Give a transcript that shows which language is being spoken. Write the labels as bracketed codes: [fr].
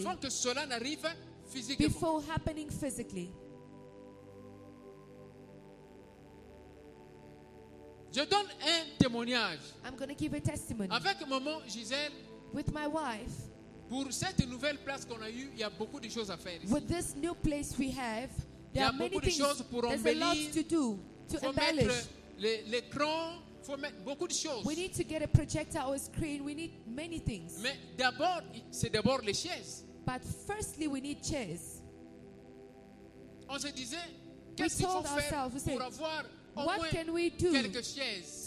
[fr] Avant que cela n'arrive physiquement. [en] Before happening physically. [fr] Je donne un témoignage. [en] I'm going to give a testimony. [fr] Avec maman Gisèle. [en] With my wife. [fr] Pour cette nouvelle place qu'on a eue, il y a beaucoup de choses à faire ici. [en] With this new place we have, there are many things. There's a lot to do to embellish. [fr] Faut mettre l'écran, faut mettre beaucoup de choses. [en] We need to get a projector or a screen. We need many things. [fr] Mais d'abord, c'est d'abord les chaises. [en] But firstly, we need chairs. [fr] On se disait, qu'est-ce qu'il faut faire pour avoir au moins quelques chaises?